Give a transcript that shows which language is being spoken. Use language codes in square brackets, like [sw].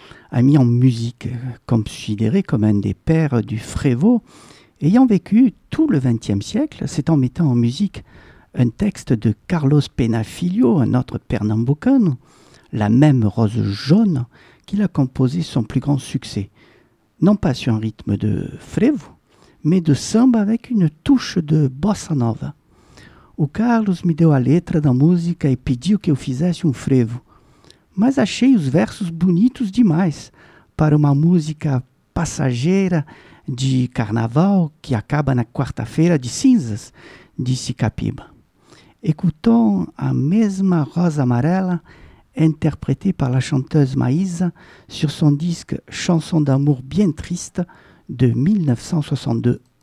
[fr] a mis en musique, considéré comme un des pères du frevo, ayant vécu tout le XXe siècle, c'est en mettant en musique un texte de Carlos Pena Filho, un autre pernambucain, La même rose jaune, qu'il a composé son plus grand succès, non pas sur un rythme de frevo, mas de samba avec une touche de bossa nova. [pt] O Carlos me deu a letra da música e pediu que eu fizesse um frevo, mas achei os versos bonitos demais para uma música passageira de carnaval que acaba na quarta-feira de cinzas, disse Capiba. [fr] Écoutons a mesma rosa amarela interprétée par la chanteuse Maïsa sur son disque Chanson d'amour bien triste de 1962.